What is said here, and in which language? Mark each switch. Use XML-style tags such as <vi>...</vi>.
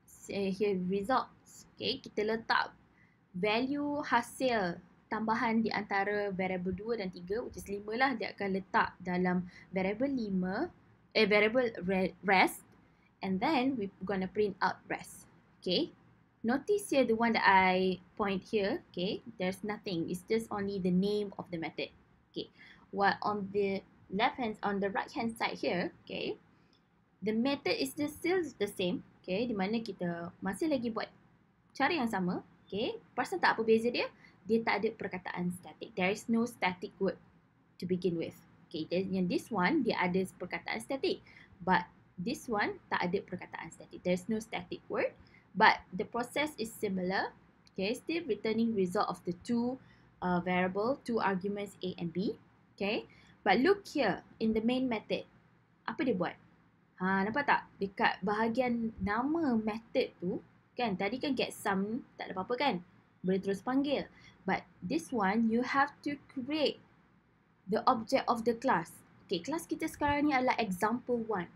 <en>Here, results.</en> <ms>Okay, kita letak value hasil tambahan di antara variable 2 dan 3,</ms> <en>which is 5</en> <ms>lah, dia akan letak dalam variable 5, variable rest,</ms> <en>and then we're gonna print out rest. Okay, notice here the one that I point here, okay, there's nothing. It's just only the name of the method. Okay, while on the left hand, on the right hand side here, okay, the method is just still the same.</en> <ms>Okay, di mana kita masih lagi buat cara yang sama. Okay, perasan tak apa beza dia? Dia tak ada perkataan static.</ms> <en>There is no static word to begin with. Okay, then in this one,</en> <ms>dia ada perkataan static.</ms> <en>But this one</en> <ms>tak ada perkataan static.</ms> <en>There's no static word. But the process is similar, okay, still returning result of the two variable, two arguments A and B, okay. But look here, in the main method,</en> <ms>apa dia buat? Ha, nampak tak? Dekat bahagian nama method tu, kan, tadi kan get sum, tak ada apa-apa kan? Boleh terus panggil.</ms> <en>But this one, you have to create the object of the class.</en> <ms>Okay, class kita sekarang ni adalah example one.</ms>